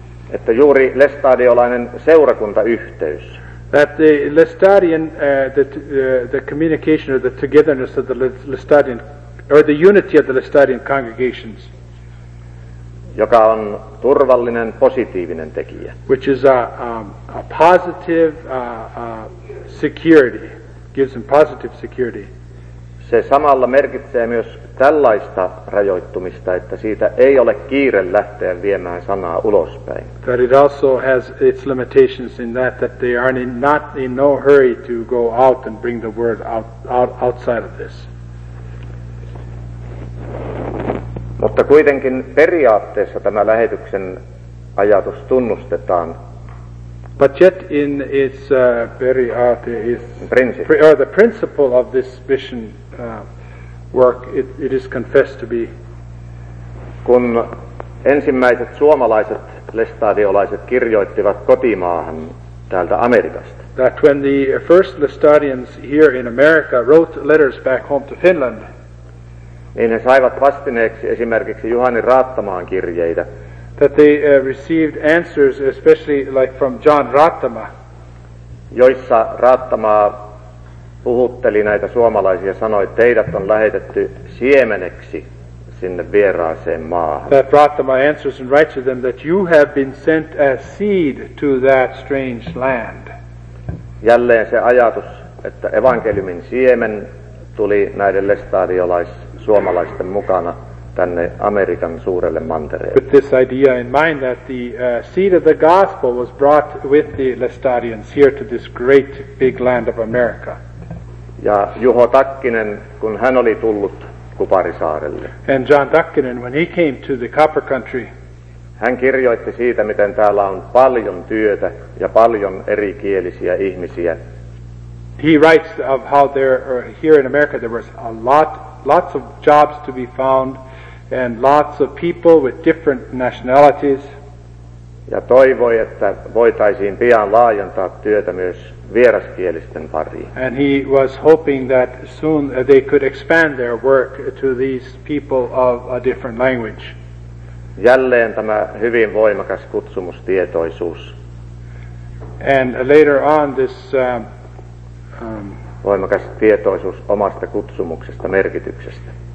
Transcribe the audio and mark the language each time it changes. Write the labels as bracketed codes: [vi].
[fi] Että juuri lestadiolainen seurakuntayhteys. [en] That the lestadian the communication or the togetherness of the lestadian or the unity of the lestadian congregations, [fi] joka on turvallinen positiivinen tekijä. [en] Which is a positive security, gives them positive security. [fi] Se samalla merkitsee myös tällaista rajoittumista, että siitä ei ole kiire lähteä viemään sanaa ulospäin. [en] That it also has its limitations in that they are not in no hurry to go out and bring the word out outside of this. [fi] Mutta kuitenkin periaatteessa tämä lähetyksen ajatus tunnustetaan. [en] But yet in its [fi] periaate, [en] the principle of this mission work, it is confessed to be. [fi] Kun ensimmäiset suomalaiset lestadiolaiset kirjoittivat kotimaahan täältä Amerikasta. [en] That when the first lestadians here in America wrote letters back home to Finland, [fi] niin he saivat vastineeksi esimerkiksi Juhani Raattamaan kirjeitä. [en] That they received answers, especially like from John Raattama, [fi] joissa Raattamaa puhutteli näitä suomalaisia, sanoi, teidät on lähetetty siemeneksi sinne vieraaseen maahan. [en] That brought them answers and writes to them that you have been sent as seed to that strange land. [fi] Jälleen se ajatus, että evankeliumin siemen tuli näiden lestadiolais-suomalaisten mukana tänne Amerikan suurelle mantereelle. [en] With this idea in mind that the seed of the gospel was brought with the lestadians here to this great big land of America. [fi] Ja Juho Takkinen, kun hän oli tullut Kuparisaarelle. [en] And John Takkinen, when he came to the Copper Country, [fi] hän kirjoitti siitä, miten täällä on paljon työtä ja paljon erikielisiä ihmisiä. [en] He writes of how there here in America there was a lots of jobs to be found, and lots of people with different nationalities. [fi] Ja toivoi, että voitaisiin pian laajentaa työtä myös vieraskielisten pariin. [en] And he was hoping that soon they could expand their work to these people of a different language. [fi] Jälleen tämä hyvin voimakas kutsumustietoisuus. [en] And later on this [fi] voimakas tietoisuus omasta kutsumuksesta, merkityksestä.